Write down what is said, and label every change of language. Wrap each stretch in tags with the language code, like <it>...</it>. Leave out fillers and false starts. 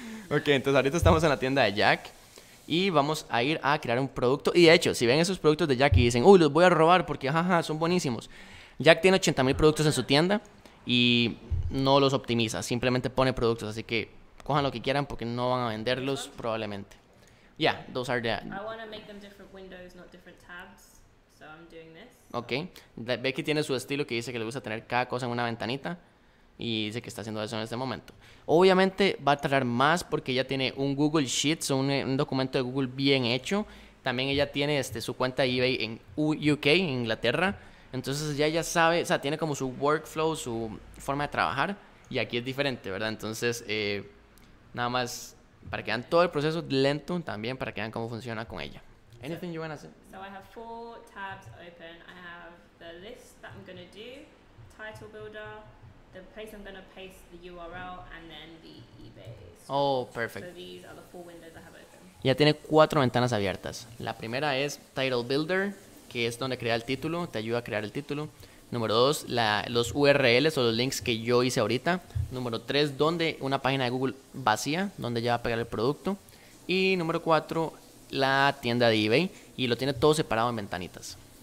<es>Okay, entonces ahorita estamos en la tienda de Jack y vamos a ir a crear un producto. Y de hecho, si ven esos productos de Jack y dicen, uy, los voy a robar porque jaja, son buenísimos. Jack tiene 80,000 productos en su tienda y no los optimiza, simplemente pone productos. Así que cojan lo que quieran porque no van a venderlos probablemente.</es> <en>Yeah, those are the... I want to make them different windows, not different tabs. So I'm doing this. Okay.</en> <es>Becky tiene su estilo que dice que le gusta tener cada cosa en una ventanita. Y dice que está haciendo eso en este momento. Obviamente va a tardar más porque ella tiene un Google Sheets, un documento de Google bien hecho. También ella tiene su cuenta de eBay en UK, en Inglaterra. Entonces ya sabe, o sea, tiene como su workflow, su forma de trabajar. Y aquí es diferente, ¿verdad? Entonces, nada más para que vean todo el proceso lento también, para que vean cómo funciona con ella.</es> <en>Anything you want to say? So I have four tabs open. I have the list that I'm going to do, title builder, the place I'm going to paste the URL, and then the eBay. Oh, perfect. So these are the four windows I have open.</en> <es>Ya tiene cuatro ventanas abiertas. La primera es title builder, que es donde crea el título, te ayuda a crear el título. Número dos, los URLs o los links que yo hice ahorita. Número tres, donde una página de Google vacía, donde ya va a pegar el producto. Y número cuatro, la tienda de eBay, y lo tiene todo separado en ventanitas.</es>